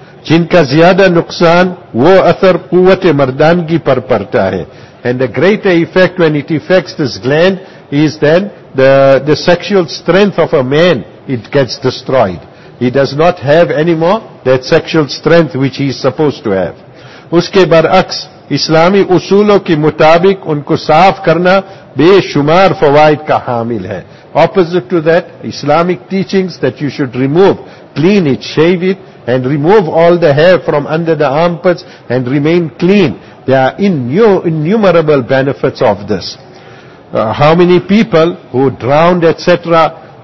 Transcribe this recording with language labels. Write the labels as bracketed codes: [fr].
[ur] Jinka ziyada nuksan, wo athar quwate mardangi par parta hai. [en] And the greater effect when it affects this gland is then the sexual strength of a man, it gets destroyed. He does not have anymore that sexual strength which he is supposed to have. [ur] Uske barakas, اسلامی اصولوں کے مطابق ان کو صاف کرنا بے شمار فوائد کا حامل ہے. [en] opposite to that Islamic teachings that you should remove, clean it, shave it and remove all the hair from under the armpits and remain clean. There are innumerable benefits of this. How many people who drowned etc.